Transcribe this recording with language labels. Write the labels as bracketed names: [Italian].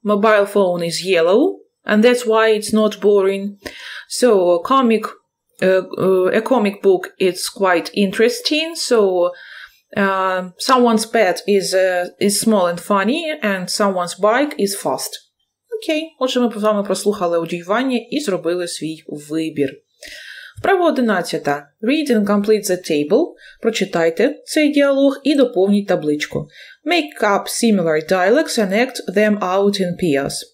[English] Mobile phone is yellow. And that's why it's not boring. So, a comic book, it's quite interesting. So, someone's pet is small and funny, and someone's bike is fast. [Ukrainian] Окей, отже, ми з вами прослухали аудіювання і зробили свій вибір. Вправа 11. [English] Read and complete the table. [Ukrainian] Прочитайте цей діалог і доповніть табличку. [English] Make up similar dialects and act them out in pairs.